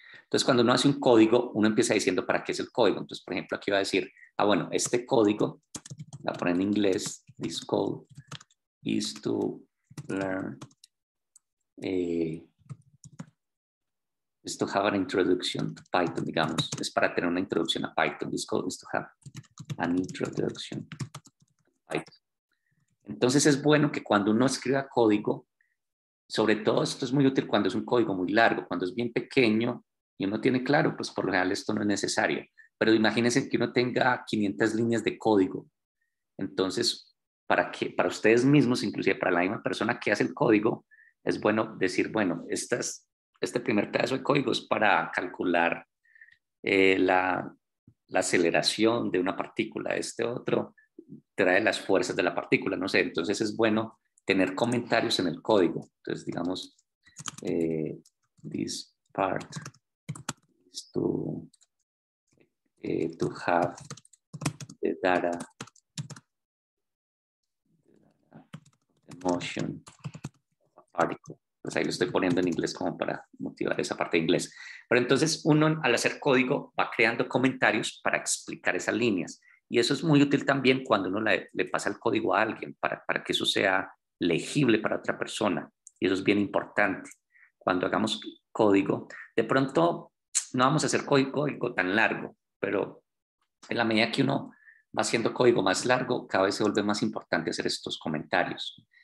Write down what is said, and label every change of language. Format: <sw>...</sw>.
<es>Entonces, cuando uno hace un código, uno empieza diciendo para qué es el código. Entonces, por ejemplo, aquí va a decir, ah, bueno, este código, la pone en inglés, this code is to learn, is to have an introduction to Python, digamos. Es para tener una introducción a Python.</es> <en>This code is to have an introduction to Python.</en> <es>Entonces, es bueno que cuando uno escriba código, sobre todo esto es muy útil cuando es un código muy largo, cuando es bien pequeño. Y uno tiene claro, pues por lo general esto no es necesario. Pero imagínense que uno tenga 500 líneas de código. Entonces, para que para ustedes mismos, inclusive para la misma persona que hace el código, es bueno decir, bueno, este primer pedazo de código es para calcular la aceleración de una partícula. Este otro trae las fuerzas de la partícula, no sé. Entonces es bueno tener comentarios en el código. Entonces, digamos, this part.</es> <en>To have the data, motion particle.</en> <es>Pues ahí lo estoy poniendo en inglés como para motivar esa parte de inglés. Pero entonces uno al hacer código va creando comentarios para explicar esas líneas. Y eso es muy útil también cuando uno le pasa el código a alguien para que eso sea legible para otra persona. Y eso es bien importante. Cuando hagamos código, de pronto no vamos a hacer código tan largo, pero en la medida que uno va haciendo código más largo, cada vez se vuelve más importante hacer estos comentarios.</es>